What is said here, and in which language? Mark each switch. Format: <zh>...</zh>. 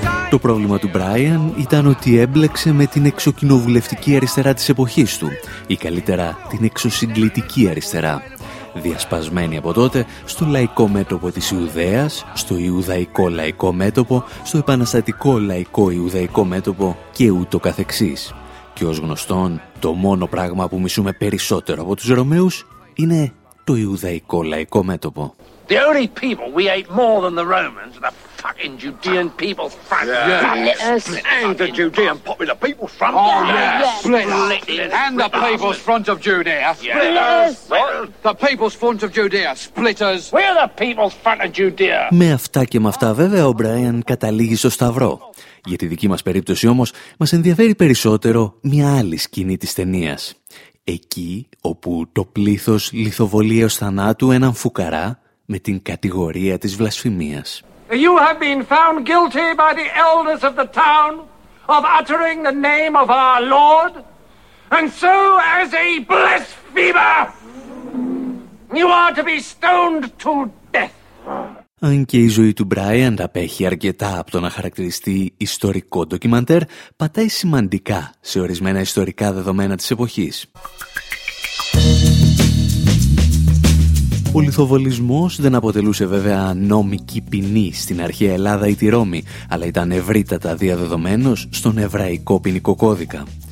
<el>Το πρόβλημα του Brian ήταν ότι έμπλεξε με την εξοκοινοβουλευτική αριστερά της εποχής του, ή καλύτερα την εξωσυγκλητική αριστερά, διασπασμένη από τότε στο λαϊκό μέτωπο της Ιουδαίας, στο Ιουδαϊκό λαϊκό μέτωπο, στο επαναστατικό λαϊκό Ιουδαϊκό μέτωπο και ούτω καθεξής. Και ως γνωστόν, το μόνο πράγμα που μισούμε περισσότερο από τους Ρωμαίους είναι το Ιουδαϊκό λαϊκό μέτωπο.</el> <en>The only people we hate more than the Romans are the fucking Judean people, yeah. Yeah. Yes. And the Judean popular people front. Oh, yes. Yes. Split. Split. And the people's front of Judea. Yes. Splitters. What? The people's front of Judea. Splitters. We're the people's front of Judea.</en> <el>Με αυτά και με αυτά βέβαια ο Brian καταλήγει στο σταυρό. Για τη δική μας περίπτωση όμως μας ενδιαφέρει περισσότερο μια άλλη σκηνή της ταινίας. Εκεί όπου το πλήθος λιθοβολεί ως θανάτου έναν φουκαρά με την κατηγορία της βλασφημίας.</el> <en>You have been found guilty by the elders of the town of uttering the name of our Lord, and so as a blasphemer you are to be stoned to death.</en> <el>Αν και η ζωή του Brian απέχει αρκετά από το να χαρακτηριστεί ιστορικό ντοκιμαντέρ, πατάει σημαντικά σε ορισμένα ιστορικά δεδομένα της εποχής. Ο λιθοβολισμός δεν αποτελούσε βέβαια νόμικη ποινή στην αρχαία Ελλάδα ή τη Ρώμη, αλλά ήταν ευρύτατα διαδεδομένος στον εβραϊκό ποινικό κώδικα.</el>